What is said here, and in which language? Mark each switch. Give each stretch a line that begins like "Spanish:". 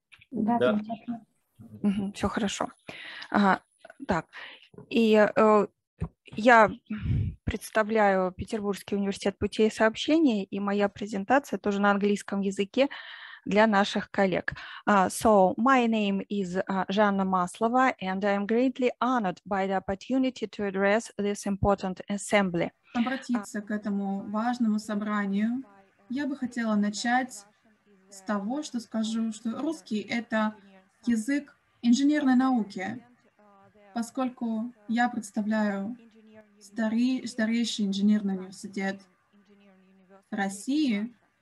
Russian: Да. Да. Все хорошо. Так. И я представляю Петербургский университет путей сообщения, и моя презентация тоже на английском языке для наших коллег.
English: So, my name is Жанна Маслова, and I am greatly honored by the opportunity to address this important assembly.
Russian: Обратиться к этому важному собранию я бы хотела начать с того, что скажу, что русский — это язык инженерной науки. Поскольку я представляю старейший инженерный университет России,